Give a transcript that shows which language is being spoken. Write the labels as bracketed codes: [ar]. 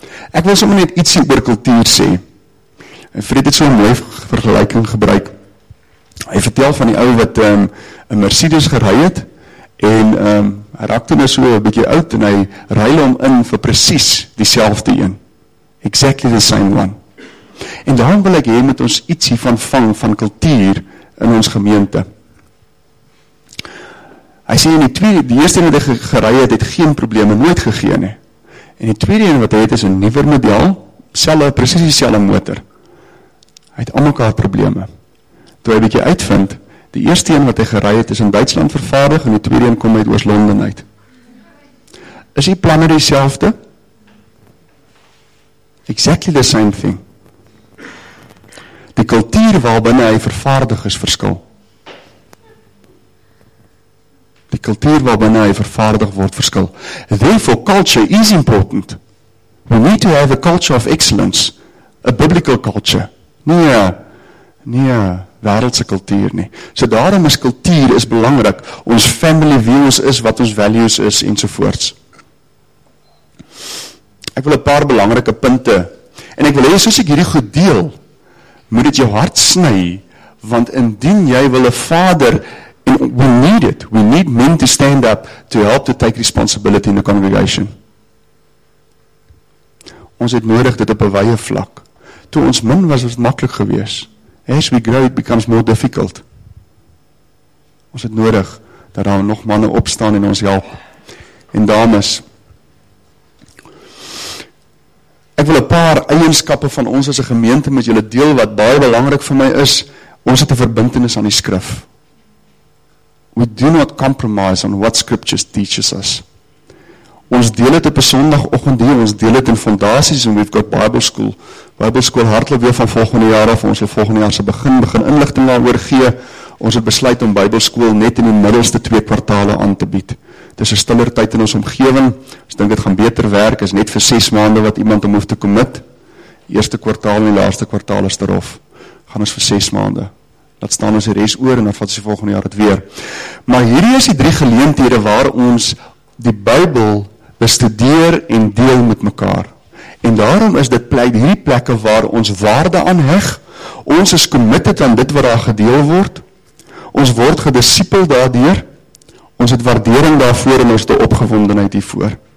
[af] Ek wil sommer net ietsie oor kultuur sê. En Fred het so 'n mooi vergelyking gebruik. Hy vertel van die ou wat 'n Mercedes gery het en hy raak toe so 'n bietjie oud en hy ry hom in vir presies dieselfde een. [en] Exactly the same one. [af] En daarom wil ek hê met ons ietsie van vang van kultuur in ons gemeente. Hy sê in die eerste ene wat hy gery het geen probleme nooit gegee nie. En die tweede ene wat hy het is 'n nuwer model, presies dieselfde motor. Hy het almekaar probleme. Toe hy bietjie uitvind, die eerste een wat hy gery het is in Duitsland vervaardig en die tweede een kom uit Oos-London uit. Is die planne dieselfde? [en] Exactly the same thing. [af] Die kultuur waarbinne hy vervaardig is verskil. Die kultuur waarbinne hy vervaardig word verskil. [en] Therefore, culture is important. We need to have a culture of excellence. A biblical culture. [af] Nie wereldse kultuur nie. So daarom is kultuur is belangrik. Ons family, wie ons is, wat ons values is, ensovoorts. Ek wil 'n paar belangrike punte, en ek wil hê, soos ek hierdie goed deel, moet dit jou hart sny, want indien jy wil 'n vader, en [en] we need it, we need men to stand up, to help to take responsibility in the congregation. [af] Ons het nodig dit op 'n wye vlak. Toe ons min was, was het makkelijk gewees. [en] As we grow, it becomes more difficult. [af] Ons het nodig, dat daar nog manne opstaan en ons help. En dames, ek wil 'n paar eienskappe van ons as 'n gemeente met julle deel wat baie belangrik vir my is. Ons het 'n verbintenis aan die skrif. [en] We do not compromise on what scriptures teaches us. [af] Ons deel het op 'n sondagoggend hier, ons deel het in fondasies en [en] we've got Bible school. [af] Bible school hardloop weer van volgende jaar af, ons wil volgende jaar se begin inligting daaroor gee. Ons het besluit om Bible school net in die middelste twee kwartale aan te bied. Dit is 'n stiller tyd in ons omgewing. Ons dink dit gaan beter werk, is net vir 6 maande wat iemand om hoef te commit. Eerste kwartaal en die laaste kwartaal is terof. Gaan ons vir 6 maande. Laat staan ons die res oor en dan vat ons die volgende jaar het weer. Maar hierdie is die drie geleenthede waar ons die Bybel bestudeer en deel met mekaar. En daarom is dit hierdie plekke waar ons waarde aan heg. Ons is committed aan dit wat daar gedeel word. Ons word gedisipel daardeur. Ons het waardering daarvoor en ons het opgewondenheid hiervoor.